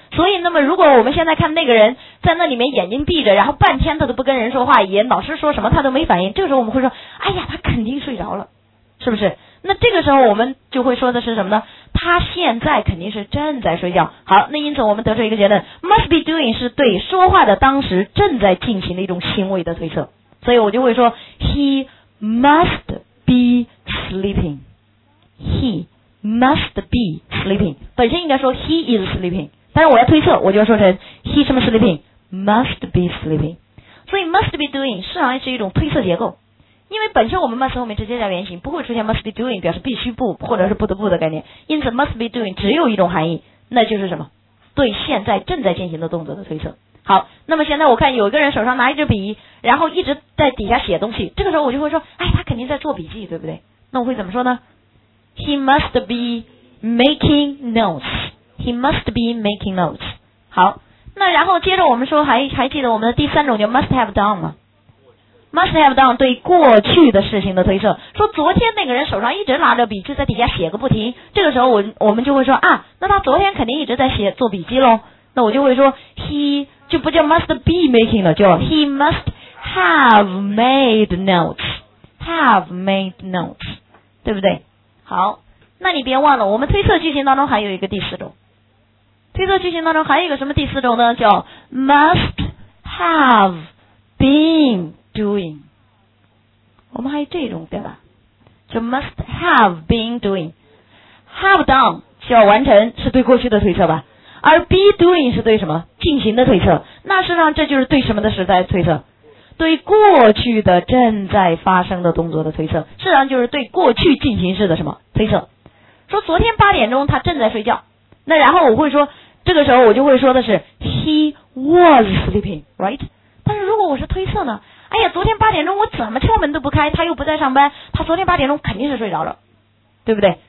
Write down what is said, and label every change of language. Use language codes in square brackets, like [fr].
[zh] 所以那么如果我们现在看那个人在那里面眼睛闭着，然后半天他都不跟人说话，也老师说什么他都没反应，这个时候我们会说哎呀他肯定睡着了，是不是？那这个时候我们就会说的是什么呢？他现在肯定是正在睡觉。好，那因此我们得出一个结论， must be doing 是对说话的当时正在进行的一种行为的推测。所以我就会说 [en] he must be sleeping， [zh] he must be sleeping， 本身应该说 [en] he is sleeping， [zh] 但是我要推测我就要说成 he 什么 sleeping， must be sleeping。所以 must be doing 实际上是一种推测结构，因为本身我们 must 后面直接加原形，不会出现 must be doing 表示必须不或者是不得不的概念，因此 must be doing 只有一种含义，那就是什么？对现在正在进行的动作的推测。好，那么现在我看有一个人手上拿一支笔，然后一直在底下写东西，这个时候我就会说哎，他肯定在做笔记，对不对？那我会怎么说呢？ [en] He must be making notes， He must be making notes。 [zh] 好，那然后接着我们说还记得我们的第三种叫 must have done 吗？ Must have done 对过去的事情的推测，说昨天那个人手上一直拿着笔就在底下写个不停，这个时候我们就会说啊，那他昨天肯定一直在写做笔记咯。那我就会说 He就不叫 must be making 了，叫 [en] he must have made notes， [zh] have made notes， 对不对？好，那你别忘了我们推测句型当中还有一个第四种，推测句型当中还有一个什么第四种呢？叫 must have been doing， 我们还有这种对吧，就 must have been doing。 have done 叫完成，是对过去的推测吧，而 be doing 是对什么进行的推测，那实际上这就是对什么的实在推测，对过去的正在发生的动作的推测，实际上就是对过去进行式的什么推测。说昨天八点钟他正在睡觉，那然后我会说这个时候我就会说的是 [en] he was sleeping right， [zh] 但是如果我是推测呢，哎呀昨天八点钟我怎么敲门都不开，他又不在上班，他昨天八点钟肯定是睡着了，对不对？